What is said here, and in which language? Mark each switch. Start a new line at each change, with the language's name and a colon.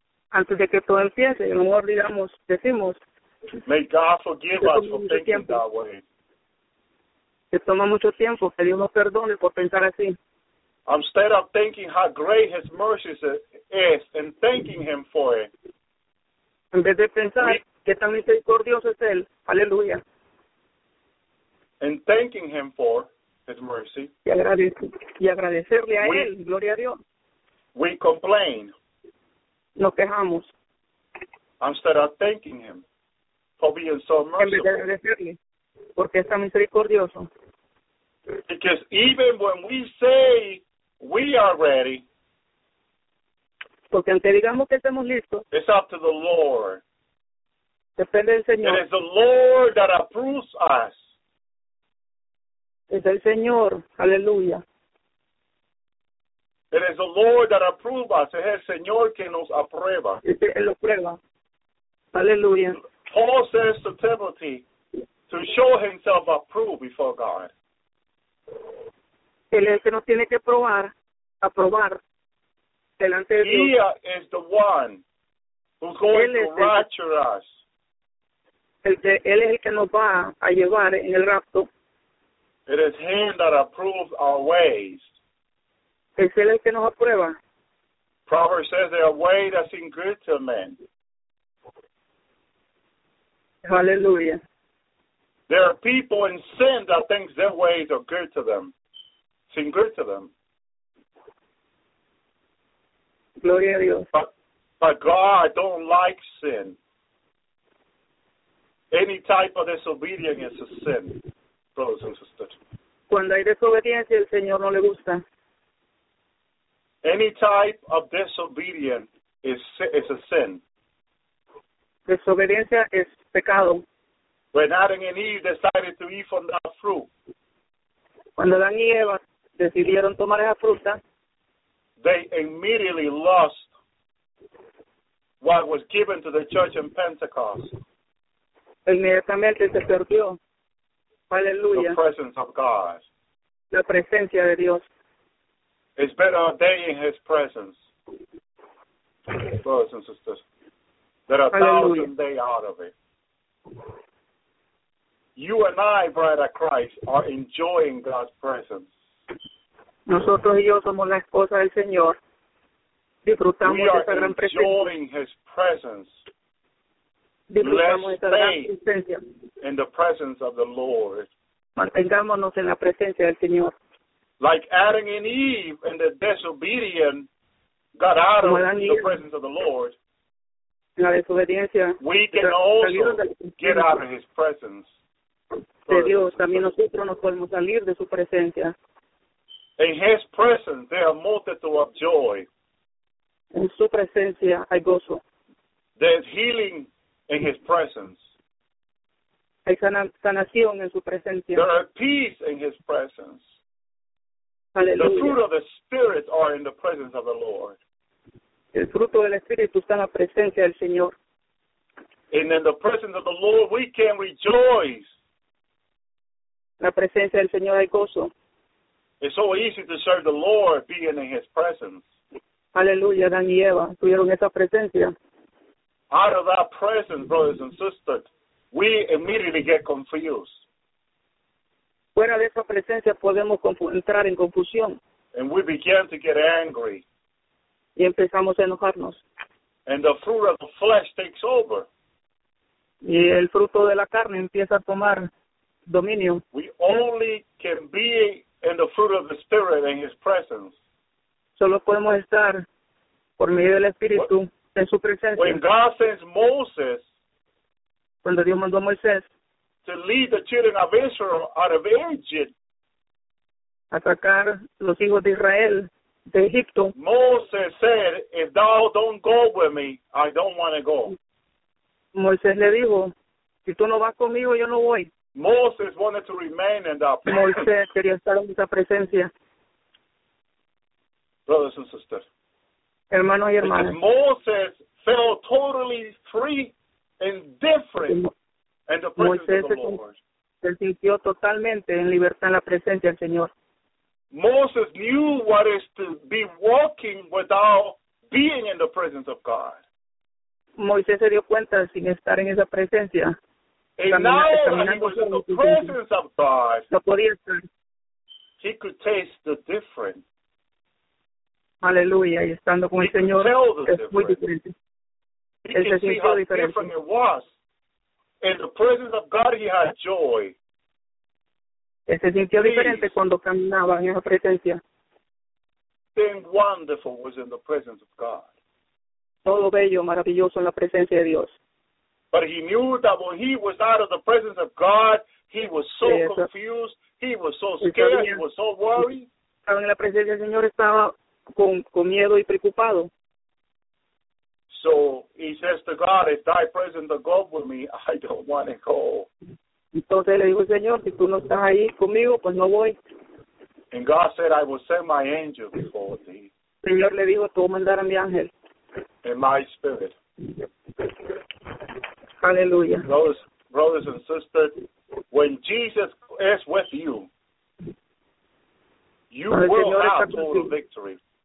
Spanish: Antes de que todo empiece, a lo mejor digamos, decimos.
English: May God forgive us for thinking that way.
Spanish: Que toma mucho tiempo, que Dios nos perdone por pensar así.
English: Instead of thinking how great His mercy is and thanking Him for it.
Spanish: En vez de pensar que tan misericordioso es Él, aleluya.
English: And thanking Him for His mercy.
Spanish: Y agradecerle a Él, gloria a Dios.
English: We complain.
Spanish: Nos quejamos.
English: Instead of thanking Him for being so merciful.
Spanish: En vez de agradecerle, porque es tan misericordioso.
English: Because even when we say we are ready,
Spanish: porque aunque digamos que estemos listos,
English: it's up to the Lord.
Spanish: Depende del Señor.
English: It is the Lord that approves us.
Spanish: Es el Señor. Aleluya.
English: It is the Lord that approves us.
Spanish: Es el Señor que nos aprueba. Él lo prueba. Aleluya.
English: Paul says to Timothy to show himself approved before God.
Spanish: Él es que nos tiene que probar, aprobar. Delante de Dios.
English: He is the one who's going to rapture us.
Spanish: Él es el que nos va a llevar en el rapto.
English: It is Him that approves our ways.
Spanish: Es Él el que nos aprueba.
English: Proverbs says there are ways that seem good to men. Hallelujah. There are people in sin that think their ways are good to them. Seem good to them.
Spanish: Gloria a Dios.
English: But God don't like sin. Any type of disobedience is a sin, brothers and sisters.
Spanish: Cuando hay desobediencia, el Señor no le gusta.
English: Any type of disobedience is a sin.
Spanish: Desobediencia es pecado.
English: When Adam and Eve decided to eat from that fruit,
Spanish: cuando Adán y Eva decidieron tomar esa fruta,
English: they immediately lost what was given to the church in Pentecost.
Spanish: Inmediatamente se perdió. Aleluya.
English: The presence of God.
Spanish: La presencia de Dios.
English: It's better a day in His presence, brothers and sisters, than a thousand day out of it. You and I, bride of Christ, are enjoying God's presence.
Spanish: Nosotros y yo somos la esposa del Señor. Disfrutamos de esa gran presencia.
English: We are enjoying His presence. In the presence of the Lord.
Spanish: Mantengámonos en la presencia del Señor.
English: Like Adam and Eve and the disobedient got out of the presence of the Lord.
Spanish: La desobediencia.
English: We can also get out of His presence.
Spanish: De Dios, también nosotros nos podemos salir de su presencia.
English: In His presence, there are multitude of joy.
Spanish: En su presencia hay gozo.
English: There's healing. In His presence.
Spanish: Hay sanación en su presencia.
English: There are peace in His presence. Hallelujah. The fruit of the Spirit are in the presence of the Lord.
Spanish: El fruto del Espíritu está en la presencia del Señor.
English: And in the presence of the Lord we can rejoice.
Spanish: La presencia del Señor hay gozo.
English: It's so easy to serve the Lord being in His presence.
Spanish: Aleluya, Adán y Eva tuvieron esa presencia.
English: Out of that presence, brothers and sisters, we immediately get confused.
Spanish: Fuera de esa presencia podemos entrar en confusión.
English: And we begin to get angry.
Spanish: Y empezamos a enojarnos.
English: And the fruit of the flesh takes over.
Spanish: Y el fruto de la carne empieza a tomar dominio.
English: We only can be in the fruit of the Spirit in His presence.
Spanish: Solo podemos estar por medio del Espíritu. En su presencia.
English: When God sends Moses,
Spanish: cuando Dios mandó a Moisés,
English: to lead the children of Israel out of Egypt,
Spanish: a sacar los hijos de Israel de Egipto,
English: Moses said, "If thou don't go with me, I don't want to go."
Spanish: Moisés le dijo, "Si tú no vas conmigo, yo no voy."
English: Moses wanted to remain in that presence.
Spanish: Moisés quería estar en esa presencia.
English: Brothers and sisters.
Spanish: Hermano y hermana.
English: Because Moses felt totally free and different in the presence of the Lord.
Spanish: Se sintió totalmente en libertad en la presencia del Señor.
English: Moses knew what it is to be walking without being in the presence of God.
Spanish: Moisés se dio cuenta sin estar en esa presencia.
English: And now that he was in the presence of God,
Spanish: no podía estar.
English: He could taste the difference.
Spanish: Aleluya, y estando con el Señor, es muy diferente.
English: He could see how different it was. In the presence of God, he had joy.
Spanish: Él se sintió diferente cuando caminaba en esa presencia.
English: Thing wonderful was in the presence of God.
Spanish: Todo bello, maravilloso en la presencia de Dios.
English: But he knew that when he was out of the presence of God, he was so confused, he was so scared, he was so worried.
Spanish: Estaba en la presencia del Señor, estaba con miedo y preocupado.
English: So he says to God, if thy presence of God with me, I don't want to go.
Spanish: Entonces le dijo, Señor, si tú no estás ahí conmigo, pues no voy.
English: And God said, I will send my angel before thee.
Spanish: Señor le dijo, tú mandarás a mi ángel.
English: In my spirit. Hallelujah. Brothers and sisters, when Jesus is with you, you will have total victory.